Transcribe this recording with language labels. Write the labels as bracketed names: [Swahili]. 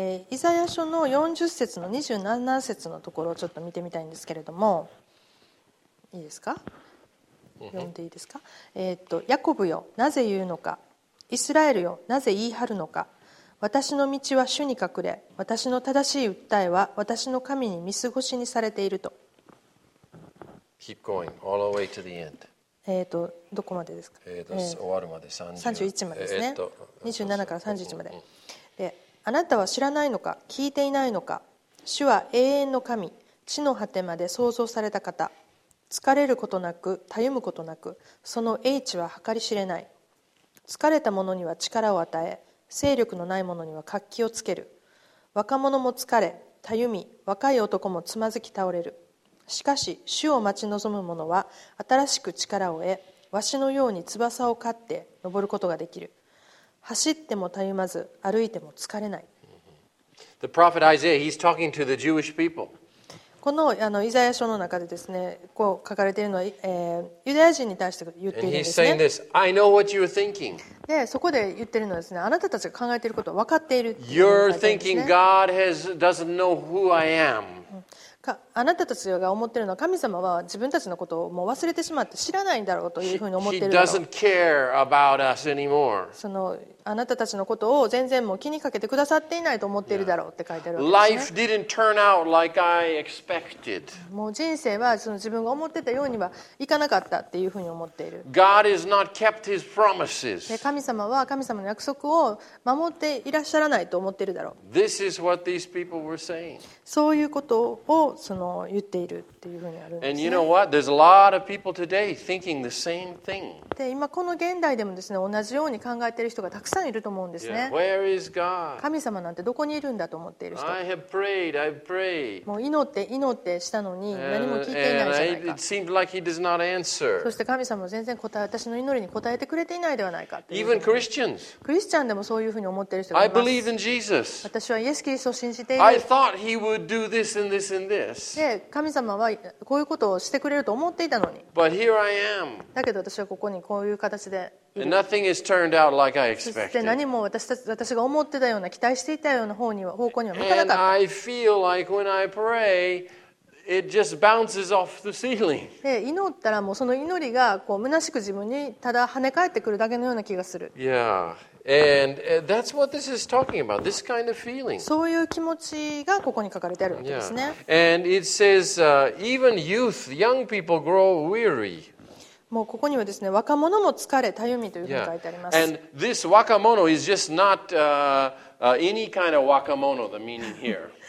[Japanese] イザヤ書の40節の27節のところをちょっと見てみたいんですけれども、いいですか、読んでいいですか。ヤコブよ、なぜ言うのか、イスラエルよ、なぜ言い張るのか。私の道は主に隠れ、私の正しい訴えは私の神に見過ごしにされていると。 [English] Keep going all the way to the end. [Japanese] どこまでですか。終わるまで 31までですね。27から31まで。で、あなたは知らないのか、聞いていないのか。主は永遠の神、地の果てまで創造された方。疲れることなく、たゆむことなく、その英知は計り知れない。疲れた者には力を与え、勢力のない者には活気をつける。若者も疲れたゆみ、若い男もつまずき倒れる。しかし主を待ち望む者は新しく力を得、わしのように翼を飼って登ることができる。走ってもたゆまず、歩いても疲れない。 [English] The prophet Isaiah, he's talking to the Jewish people. [Japanese] この、 あのイザヤ書の中でですね、こう書かれているのは、ユダヤ人に対して言っているんですね。 [English] And he's saying this, I know what you're thinking. [Japanese] で、そこで言っているのはですね、あなたたちが考えていることを分かっているっていう書いてあるんですね。 [English] You're thinking God has, doesn't know who I am. [Japanese] あなたたちが思っているのは、神様は自分たちのことをもう忘れてしまって知らないんだろうというふうに思っているだろう。 [English] He doesn't care about us anymore. [Japanese] そのあなたたちのことを全然もう気にかけてくださっていないと思っているだろうって書いてあるわけですね。 [English] Life didn't turn out like I expected. [Japanese] もう人生はその自分が思ってたようにはいかなかったっていうふうに思っている。 [English] God has not kept his promises. [Japanese] 神様は神様の約束を守っていらっしゃらないと思っているだろう。 [English] This is what these people were saying. [Japanese] そういうことをその言っているっていうふうにあるんですね。 [English] And you know what? There's a lot of people today thinking the same thing. [Japanese] で今この現代でもですね、同じように考えている人がたくさんいると思うんですね。 [English] yeah, where is God? [Japanese] 神様なんてどこにいるんだと思っている人。 [English] I have prayed, I've prayed. [Japanese] もう祈ってしたのに何も聞いていないじゃないか。 [English] and it seemed like he does not answer. [Japanese] そして神様も全然私の祈りに答えてくれていないではないかっていう。 [English] Even Christians. [Japanese] クリスチャンでもそういうふうに思っている人がいます。 [English] I believe in Jesus. [Japanese] 私はイエス・キリストを信じている。 [English] I thought he would do this and this and this. [Japanese] で、神様はこういうことをしてくれると思っていたのに。 [English] But here I am. [Japanese] だけど私はここにこういう形で。 [English] And nothing has turned out like I expected. [Japanese] そして何も私が思ってたような期待していたような方向には向かなかった。 [English] And I feel like when I pray, it just bounces off the ceiling. [Japanese] で、祈ったらもうその祈りがこう虚しく自分にただ跳ね返ってくるだけのような気がする。 [English] Yeah. And that's what this is talking about, this kind of feeling. [Japanese] そういう気持ちがここに書かれてあるわけですね。 [English] Yeah. And it says, even youth, young people grow weary. [Japanese] もうここにはですね、若者も疲れ、たゆみというふうに書いてあります。 [English] Yeah. And this 若者 is just not any kind of 若者, the meaning here.